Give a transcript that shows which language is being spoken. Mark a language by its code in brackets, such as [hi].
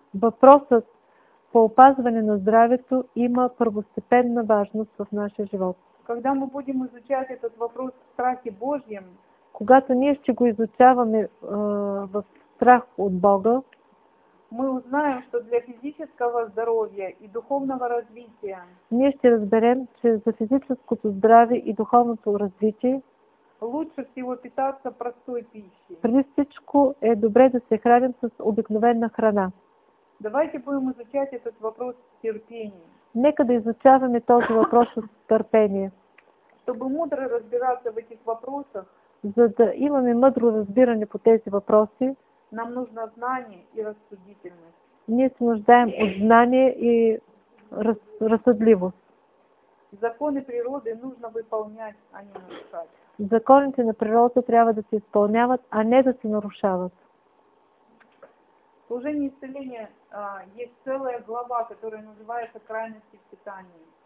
[bg] Вопрос по опазване на здравието има първостепенна важност в нашия живот. [ru] Когда мы будем изучать этот вопрос в страхе Божьем, [bg] когато ние ще го изучаваме в страх от Бога, [ru] мы узнаем, что для физического здоровья и духовного развития [bg] ние ще разберем, че за физическото здраве и духовното развитие [ru] лучше всего питаться простой пищей. [bg] Преди всичко е добре да се храним с обикновена храна. [ru] Давайте будем изучать этот вопрос с терпением. [bg] Нека да изучаваме този въпрос с търпение. [ru] Чтобы мудро разбираться в этих вопросах, [bg] за да имаме мъдро разбиране по тези въпроси, [ru] нам нужно знание и рассудительность. [bg] Ние се нуждаем от знание и разсъдливост. [ru] Законы природы нужно выполнять, а не нарушать. [bg] Законите на природа трябва да се изпълняват, а не да се нарушават. [ru] В служении исцеления есть целая глава, которая называется «Крайности в питании».